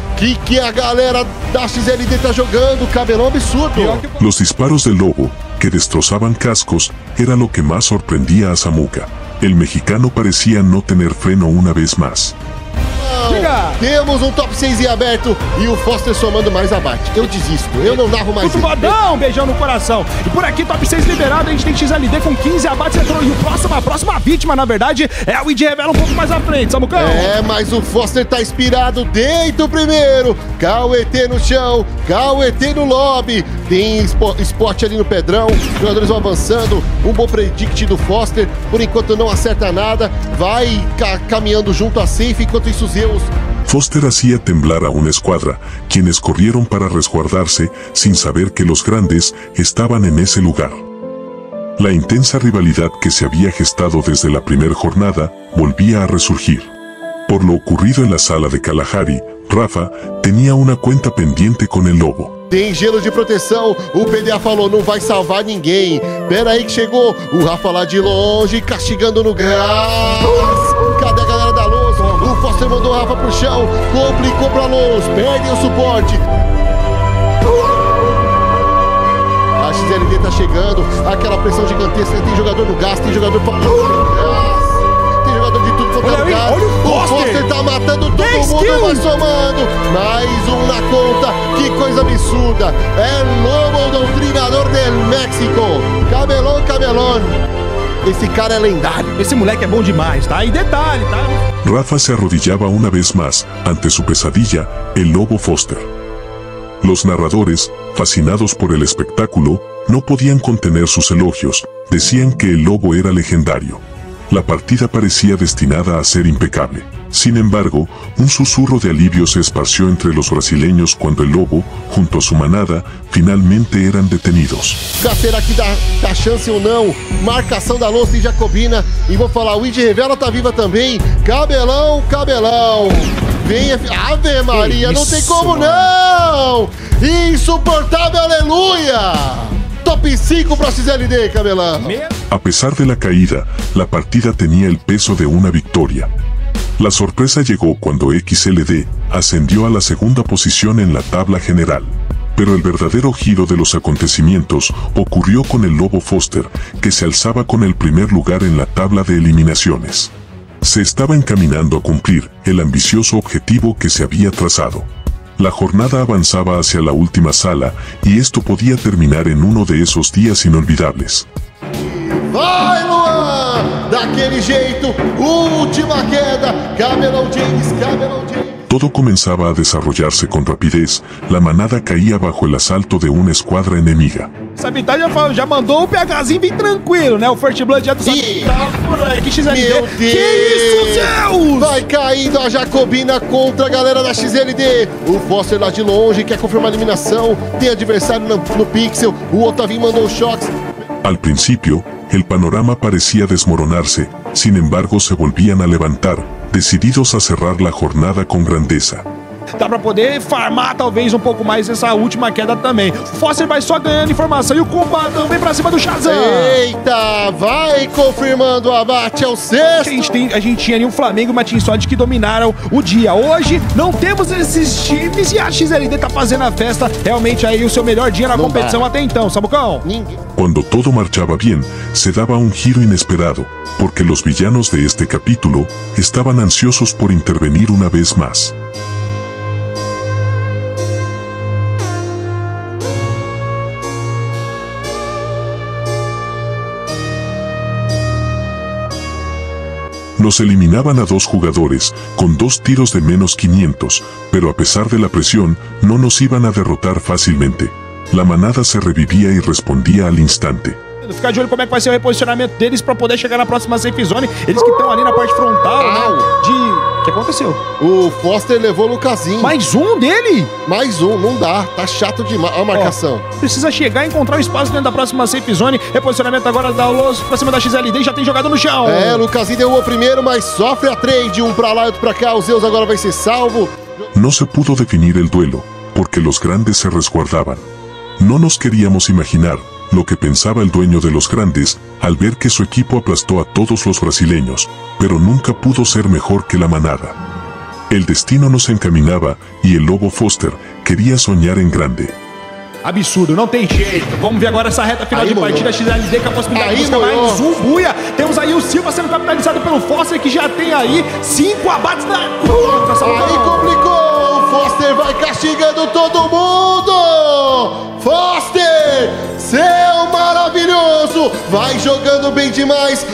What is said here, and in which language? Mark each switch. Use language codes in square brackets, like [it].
[pt] Que a galera da XLD tá jogando? Cabelão absurdo. [es] Los disparos del lobo, que destrozaban cascos, era lo que más sorprendía a Samuca. El mexicano parecía no tener freno una vez más. [pt] Temos um top 6 em aberto e o Foster somando mais abate. Eu desisto, eu não narro mais. Turbadão, beijão no coração. E por aqui, top 6 liberado, a gente tem XLD com 15 abates. E o próximo, a próxima vítima, na verdade, é o Indy Revela um pouco mais à frente, Samucão. É, mas o Foster tá inspirado, deita o primeiro. KWT no chão, KWT no lobby. Tem spot ali no Pedrão, os jogadores vão avançando. Um bom predict do Foster, por enquanto não acerta nada. Vai caminhando junto a safe, enquanto isso Zeus... [es] Foster hacía temblar a una escuadra, quienes corrieron para resguardarse sin saber que los grandes estaban en ese lugar. La intensa rivalidad que se había gestado desde la primera jornada volvía a resurgir. Por lo ocurrido en la sala de Kalahari, Rafa tenía una cuenta pendiente con el lobo. [pt] Tem gelo de proteção, o PDA falou, não vai salvar ninguém. Pera aí que chegou o Rafa lá de longe, castigando no grass. Cadê a galera da luz? O Foster mandou o Rafa pro chão, complicou pra luz, perdem o suporte. A XLD tá chegando, aquela pressão gigantesca, tem jogador no gás, tem jogador pra luz. Tem jogador de tudo quanto é lugar. O Foster tá matando todo mundo, vai somando. Mais um na conta. Que coisa absurda. É Lobo, doutrinador do México. Cabelão, cabelão. Esse cara é lendário. Esse moleque é bom demais, tá? E detalhe, tá? [es] Rafa se arrodillaba una vez más ante su pesadilla, el Lobo Foster. Los narradores, fascinados por el espectáculo, no podían contener sus elogios. Decían que el Lobo era legendario. La partida parecía destinada a ser impecable. Sin embargo, un susurro de alivio se esparció entre los brasileños cuando el Lobo, junto a su manada, finalmente eran detenidos. ¿Será que da chance o no? [pt] Marcação da Lousa e Jacobina. [es] Y voy [pt] a falar, o Indy Revela está viva [es] también. [pt] Cabelão, cabelão. Venha, Ave Maria, no tem como no. Insuportável, aleluya. Top 5 para XLD, cabelão. [es] A pesar de la caída, la partida tenía el peso de una victoria. La sorpresa llegó cuando XLD ascendió a la segunda posición en la tabla general. Pero el verdadero giro de los acontecimientos ocurrió con el Lobo Foster, que se alzaba con el primer lugar en la tabla de eliminaciones. Se estaba encaminando a cumplir el ambicioso objetivo que se había trazado. La jornada avanzaba hacia la última sala y esto podía terminar en uno de esos días inolvidables. [pt] Vai, Luan! Daquele jeito, última queda, Cabelão James, Cabelão James. [es] Todo comenzaba a desarrollarse con rapidez. La manada caía bajo el asalto de una escuadra enemiga. [pt] Sabitalha já mandou o PHzinho bem tranquilo, né? O First Blood já do Sabitalha. Meu Deus! Que isso, Zeus! Vai caindo a Jacobina contra a galera da XLD. O Foster lá de longe quer confirmar a eliminação. Tem adversário no pixel. O Otavinho mandou o choque. [es] Al principio, el panorama parecía desmoronarse, sin embargo se volvían a levantar, decididos a cerrar la jornada con grandeza. [pt] Dá pra poder farmar talvez um pouco mais essa última queda também. Foster vai só ganhando informação e o combate vem pra cima do Shazam. Eita, vai confirmando o abate, é o sexto. A gente tinha ali o Flamengo e o Matinho Sod que dominaram o dia. Hoje não temos esses times e a XLD tá fazendo a festa realmente aí o seu melhor dia na não competição dá. Até então, Samucão. Quando tudo marchava bem, se dava um giro inesperado, porque os villanos de este capítulo estavam ansiosos por intervenir uma vez mais. [es] Nos eliminaban a dos jugadores, con dos tiros de menos 500, pero a pesar de la presión, no nos iban a derrotar fácilmente. La manada se revivía y respondía al instante. [pt] Ficar de olho como é que vai ser o reposicionamento deles pra poder chegar na próxima safe zone. Eles que estão ali na parte frontal, né? De... O que aconteceu? O Foster levou o Lucasinho. Mais um dele? Mais um, não dá. Tá chato demais. A marcação. Ó, precisa chegar e encontrar o espaço dentro da próxima safe zone. Reposicionamento agora da Los pra cima da XLD. Já tem jogado no chão. É, o Lucasinho deu o primeiro, mas sofre a trade. Um pra lá, outro pra cá. O Zeus agora vai ser salvo. [es] Não se pudo definir el duelo, porque los grandes se resguardaban. Não nos queríamos imaginar lo que pensaba el dueño de los grandes al ver que su equipo aplastó a todos los brasileños, pero nunca pudo ser mejor que la manada. El destino nos encaminaba y el lobo Foster quería soñar en grande. [pt] Absurdo, não tem jeito. Vamos ver agora essa reta final aí, de partida XLD com a possibilidade de buscar mais um buia. Temos aí o Silva sendo capitalizado pelo Foster, que já tem aí 5 abates na contra. Aí complicou, o Foster vai castigando todo mundo. Foster, seu maravilhoso, vai jogando bem demais.